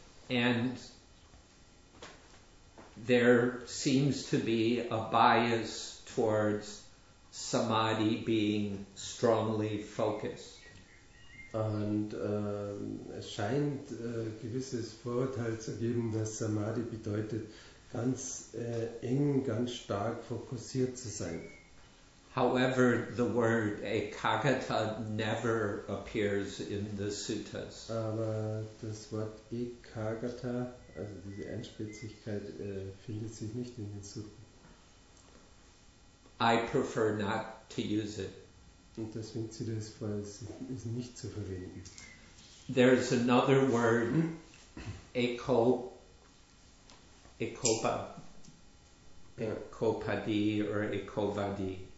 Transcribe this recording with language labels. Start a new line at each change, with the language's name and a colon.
English: And there seems to be a bias towards Samadhi being strongly focused.
German: Und es scheint gewisses Vorurteil zu geben, dass Samadhi bedeutet, ganz eng, ganz stark fokussiert zu sein.
English: However, the word ekagata never appears in the suttas.
German: Aber das Wort ekagata, also diese Einspitzigkeit, findet sich nicht in den Sutten.
English: I prefer not to use it.
German: Und deswegen ziehe ich es vor, es nicht zu verwenden.
English: There is another word, ekopadi or ekovadi.